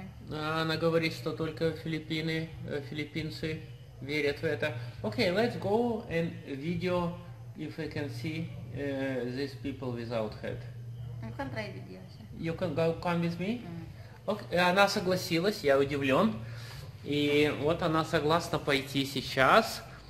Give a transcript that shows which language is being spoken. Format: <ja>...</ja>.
<ru>Она говорит, что только филиппинцы верят в это.</ru> <en>Okay, let's go and video if we can see these people without head. You can try video. You can go come with me.</en> <ru>Okay, она согласилась, я удивлен. И вот она согласна пойти сейчас.</ru>